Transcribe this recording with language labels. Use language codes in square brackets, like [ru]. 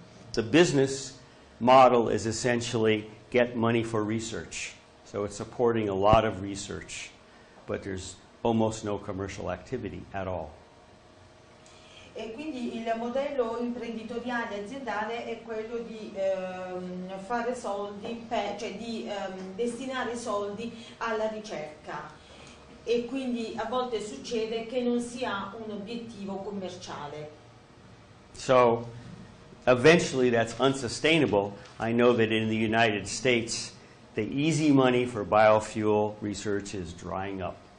[en] The business model is essentially get money for research. So it's supporting a lot of research, but there's almost no commercial activity at all. [it] E quindi il modello imprenditoriale aziendale è quello di fare soldi, cioè di destinare soldi alla ricerca. E quindi a volte succede che non si ha un obiettivo commerciale. [en] So eventually that's unsustainable. I know that in the United States the easy money for biofuel research is drying up.